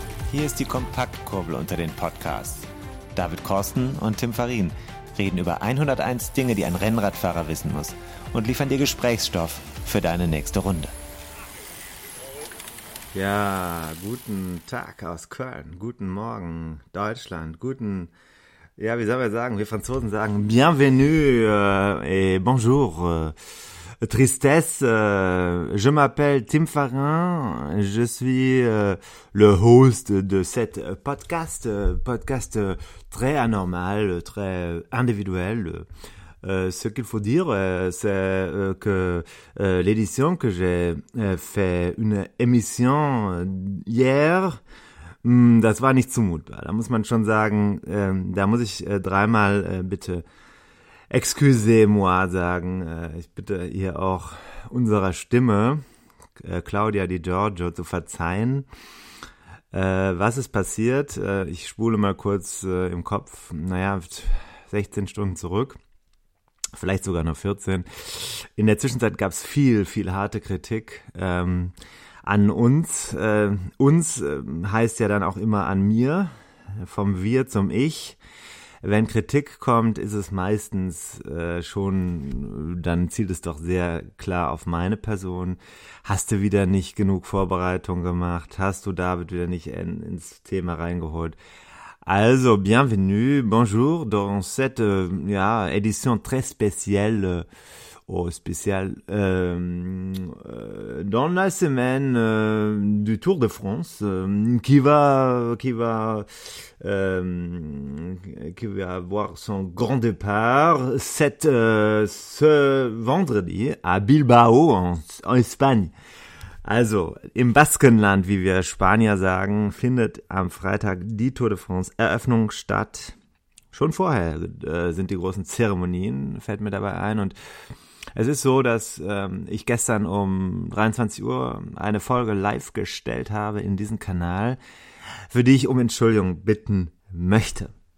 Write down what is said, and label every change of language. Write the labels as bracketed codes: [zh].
[de] Hier ist die Kompaktkurbel unter den Podcasts. David Korsten und Tim Farin reden über 101 Dinge, die ein Rennradfahrer wissen muss, und liefern dir Gesprächsstoff für deine nächste Runde. Ja, guten Tag aus Köln, guten Morgen Deutschland, guten, ja, wie soll man sagen, wir Franzosen sagen [fr] Bienvenue et bonjour. Tristesse, je m'appelle Tim Farin, je suis le host de cet podcast, podcast très anormal, très individuel. Ce qu'il faut dire, c'est que l'édition que j'ai fait une émission hier, [de] das war nicht zumutbar. Da muss man schon sagen, da muss ich dreimal bitte [fr] excusez-moi [de] sagen, ich bitte ihr auch unserer Stimme, Claudia Di Giorgio, zu verzeihen. Was ist passiert? Ich spule mal kurz im Kopf, naja, 16 Stunden zurück, vielleicht sogar nur 14. In der Zwischenzeit gab es viel, viel harte Kritik an uns. Uns heißt ja dann auch immer an mir, vom Wir zum Ich. Wenn Kritik kommt, ist es meistens schon, dann zielt es doch sehr klar auf meine Person. Hast du wieder nicht genug Vorbereitung gemacht? Hast du David wieder nicht ins Thema reingeholt? [fr] Also, bienvenue, bonjour dans cette ja, édition très spéciale. Oh, spécial. Dans la semaine du Tour de France, qui va avoir son grand départ ce vendredi à Bilbao en Espagne. [de] Also, im Baskenland, wie wir Spanier sagen, findet am Freitag die Tour de France Eröffnung statt. Schon vorher sind die großen Zeremonien, fällt mir dabei ein, und es ist so, dass ich gestern um 23 Uhr eine Folge live gestellt habe in diesem Kanal, für die ich um Entschuldigung bitten möchte.